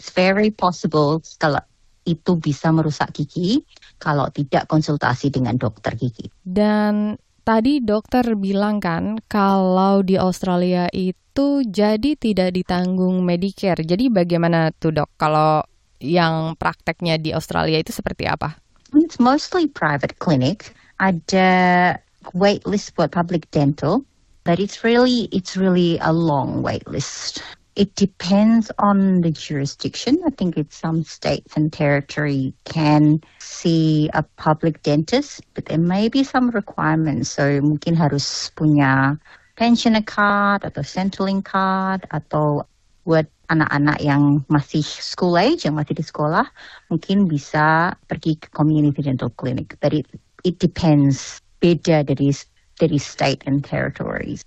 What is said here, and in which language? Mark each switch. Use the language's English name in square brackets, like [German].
[English] It's very possible [Indonesian] kalau itu bisa merusak gigi kalau tidak konsultasi dengan dokter gigi. Dan tadi dokter bilang kan kalau di Australia itu jadi tidak ditanggung Medicare. Jadi bagaimana tuh Dok kalau yang prakteknya di Australia itu seperti apa? [English] It's mostly private clinic. Ada wait list buat public dental, but it's really a long wait list. It depends on the jurisdiction. I think it's some states and territory can see a public dentist, but there may be some requirements. [Indonesian] So mungkin harus punya pensioner card atau Centrelink card atau buat anak-anak yang masih school age, yang masih di sekolah, mungkin bisa pergi ke [English] community dental clinic. But it depends, [Indonesian] beda dari [English] state and territories.